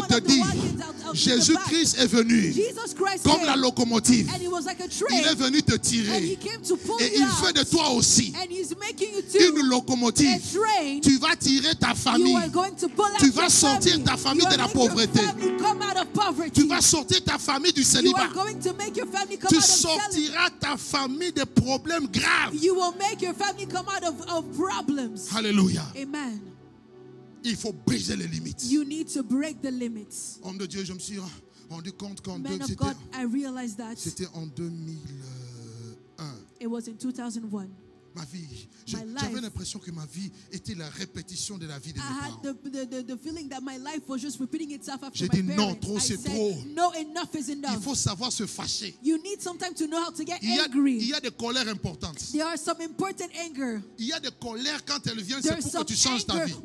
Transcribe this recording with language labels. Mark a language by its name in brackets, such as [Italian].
[French] te dis, Jésus-Christ est venu comme la locomotive. [English] And he was like a train. [French] Il est venu te tirer. [English] And he came to pull [French] et il fait de toi aussi [English] and he's making you too [French] une locomotive. [English] A train. [French] Tu vas tirer ta famille. [English] You are going to pull out [French] tu vas sortir ta famille de la pauvreté. [English] Come out of poverty. [French] Tu vas sortir ta famille du célibat. [English] You are going to make your family come [French] tu [English] out of [French] sortiras [English] celibate. [French] Ta famille des problèmes. Grave. [English] You will make your family come out of problems. Hallelujah. Amen. [French] Il faut briser les limites. [English] You need to break the limits. [French] Homme de Dieu, je me suis rendu compte qu'en [English] man [French] deux, [English] of God, I realized that. [French] C'était en 2001. [English] It was in 2001. [French] Ma vie, j'avais l'impression que ma vie était la répétition de la vie de mes parents. [English] The feeling that my life was just repeating itself after [French] j'ai dit [English] my [French] non, trop c'est [English] said, [French] trop. [English] No, enough is enough. [French] Il faut savoir se fâcher. [English] You need sometimes to know how to get [French] il y a, [English] angry. [French] Il y a des colères importantes. [English] There are some important anger. [French] Il y a des colères quand elles viennent, c'est pour que tu changes ta vie.